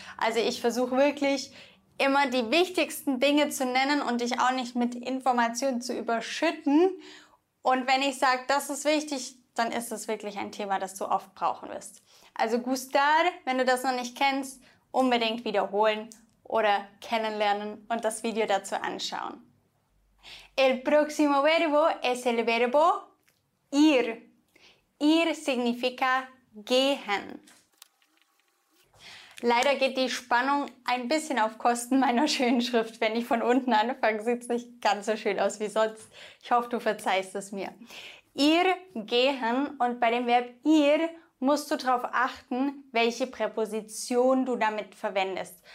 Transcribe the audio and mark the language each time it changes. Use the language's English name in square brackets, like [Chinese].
[German] Also ich versuche wirklich immer die wichtigsten Dinge zu nennen und dich auch nicht mit Informationen zu überschütten. Und wenn ich sage, das ist wichtig, dann ist das wirklich ein Thema, das du oft brauchen wirst. Also gustar, wenn du das noch nicht kennst, unbedingt wiederholen oder kennenlernen und das Video dazu anschauen. [Spanish] El próximo verbo es el verbo ir. Ir significa gehen. [German] Leider geht die Spannung ein bisschen auf Kosten meiner schönen Schrift. Wenn ich von unten anfange, sieht es nicht ganz so schön aus wie sonst. Ich hoffe, du verzeihst es mir. Ir, gehen, und bei dem Verb ir musst du darauf achten, welche Präposition du damit verwendest.